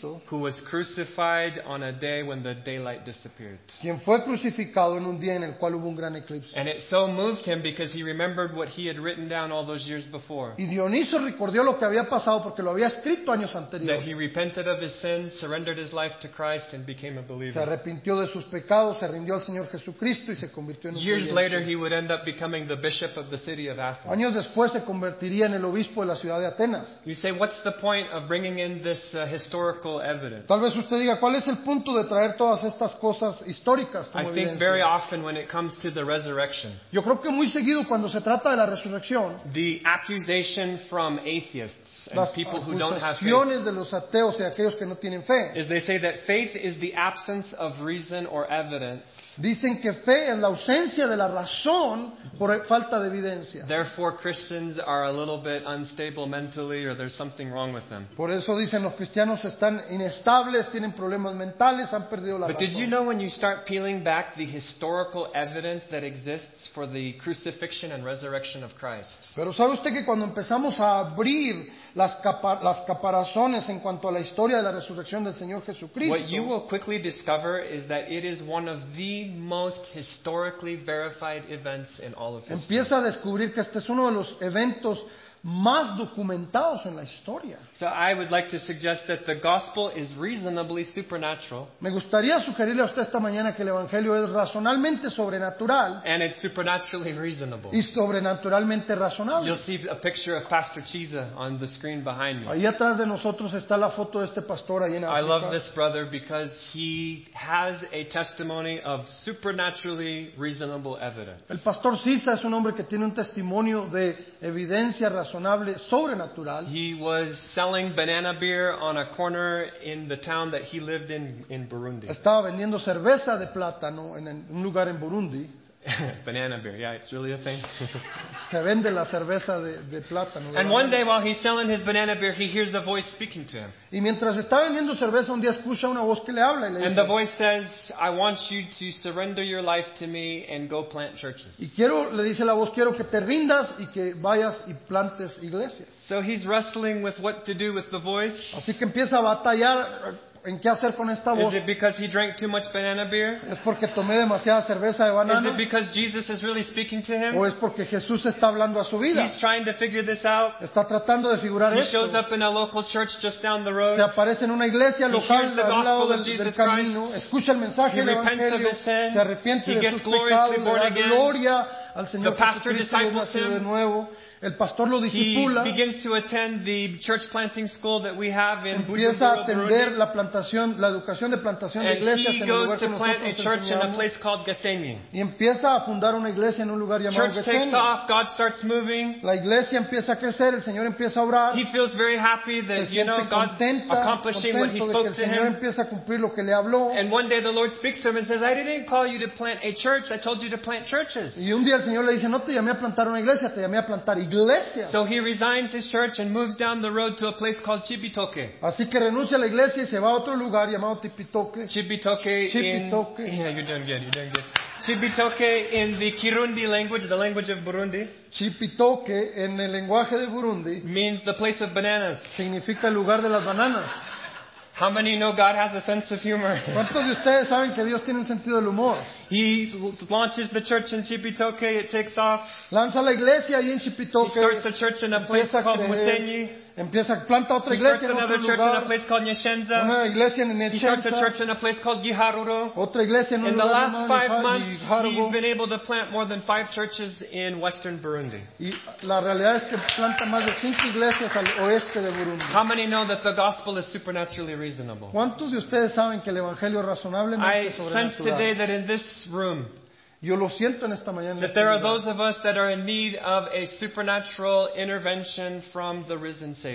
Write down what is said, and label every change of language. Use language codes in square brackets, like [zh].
[en] Who was crucified on a day when the daylight disappeared. [es] Quien fue crucificado en un día en el cual hubo un gran eclipse. [en] And it so moved him because he remembered what he had written down all those years before. [es] Y Dionisio recordó lo que había pasado porque lo había escrito años anteriores. [en] That he repented of his sins, surrendered his life to Christ, and became a believer. [es] Se arrepintió de sus pecados, se rindió al Señor Jesucristo y se convirtió en un [en] Years later, he would end up becoming the bishop of the city of Athens. [es] Años después, se convertiría en el obispo de la ciudad de Atenas. [en] You say, what's the point of bringing in this historical evidence. [es] Tal vez usted diga, ¿cuál es el punto de traer todas estas cosas históricas como evidencia? [en] I think very often when it comes to the resurrection. [es] Yo creo que muy seguido cuando se trata de la resurrección. [en] The accusation from atheists and people who don't have faith. [es] Las acusaciones de los ateos y aquellos que no tienen fe. [en] Is they say that faith is the absence of reason or evidence. [es] Dicen que fe es la ausencia de la razón por falta de evidencia. [en] Therefore, Christians are a little bit unstable mentally, or there's something wrong with them. [es] Por eso dicen los cristianos están inestables, tienen problemas mentales, han perdido la razón. [en] But did you know when you start peeling back the historical evidence that exists for the crucifixion and resurrection of Christ? [es] Pero sabe usted que cuando empezamos a abrir las caparazones en cuanto a la historia de la resurrección del Señor Jesucristo, [en] what you will quickly discover is that it is one of the most historically verified events in all of history. [es] Empieza a descubrir que este es uno de los eventos más documentados en la historia. [en] So I would like to suggest that the gospel is reasonably supernatural. [es] Me gustaría sugerirle a usted esta mañana que el evangelio es razonalmente sobrenatural. [en] And it's supernaturally reasonable. [es] Y sobrenaturalmente razonable. [en] You'll see a picture of Pastor Chiza on the screen behind me. [es] Ahí atrás de nosotros está la foto de este pastor ahí en África. [en] I love this brother because he has a testimony of supernaturally reasonable evidence. [es] El pastor Chiza es un hombre que tiene un testimonio de evidencia razonable, sobrenatural. [en] He was selling banana beer on a corner in the town that he lived in Burundi. [es] Estaba vendiendo cerveza de plátano en un lugar en Burundi. [en] Banana beer, yeah, it's really a thing. [es] Se vende la cerveza de plátano. [en] And one day while he's selling his banana beer, he hears a voice speaking to him. [es] Y mientras está vendiendo cerveza, un día escucha una voz que le habla y le dice. [en] And the voice says, "I want you to surrender your life to me and go plant churches." [es] Y le dice la voz, quiero que te rindas y que vayas y plantes iglesias. [en] So he's wrestling with what to do with the voice. [es] Así que empieza a batallar. ¿En qué hacer con esta voz? [en] Is it because he drank too much banana beer? [es] ¿Es porque tomé demasiada cerveza de banana? [en] Is it because Jesus is really speaking to him? [es] ¿O es porque Jesús está hablando a su vida? [en] He's trying to figure this out. [es] Está tratando de figurar [en] he [es] esto. [en] Shows up in a local church just down the road. [es] Se aparece en una iglesia local [en] he hears the [es] al lado [en] gospel [es] del camino. [en] Christ. [es] Escucha el mensaje del evangelio. Se arrepiente [en] he [es] de sus pecados. Le da gloria al Señor Jesucristo de nuevo. El pastor lo discipula. [en] He begins to attend the church planting school that we have in Bujumbura, Burundi. [es] Empieza a atender la plantación, la educación de plantación de iglesias en el lugar que nosotros enseñamos. [en] And he goes to plant a church in a place called Gethsemane. [es] Y empieza a fundar una iglesia en un lugar llamado [en] Gethsemane. Church takes off, God starts moving. [es] La iglesia empieza a crecer, el Señor empieza a orar. [en] He feels very happy that you know God's accomplishing what he spoke to him. [es] El Señor empieza a cumplir lo que le habló. [en] And one day the Lord speaks to him and says, "I didn't call you to plant a church, I told you to plant churches." [es] Y un día el Señor le dice, "No te llamé a plantar una iglesia, te llamé a plantar iglesias." [en] So he resigns his church and moves down the road to a place called Chibitoke. [es] Así que renuncia a la iglesia y se va a otro lugar llamado Chibitoke. [en] Chibitoke. Chibitoke. Yeah, you're doing good. You're doing good. Chibitoke in the Kirundi language, the language of Burundi. [es] Chibitoke en el lenguaje de Burundi. [en] Means the place of bananas. [es] Significa el lugar de las bananas. [en] How many know God has a sense of humor? [es] ¿Cuántos de ustedes saben que Dios tiene un sentido del humor? [en] He launches the church in Chibitoke, it takes off. [es] Lanza la iglesia ahí en Chibitoke. [en] He starts a church in a place called Musenyi. [es] Empieza a plantar otra iglesia en otro lugar. [en] Another church in a place called Nyeshenza. [es] Una iglesia en Nyeshenza. [en] He starts a church in a place called Giharuro. [es] Otra iglesia en un lugar llamado [en] Giharuro. In the last 5 months, he's been able to plant more than 5 churches in western Burundi. [es] Y la realidad es que planta más de 5 iglesias al oeste de Burundi. [en] How many know that the gospel is supernaturally reasonable? [es] ¿Cuántos de ustedes saben que el evangelio es razonablemente sobrenatural? [en] I sense today that in this room. [es] Yo lo siento en esta mañana. [en] That there are those of us that are in need of a supernatural intervention from the risen Savior.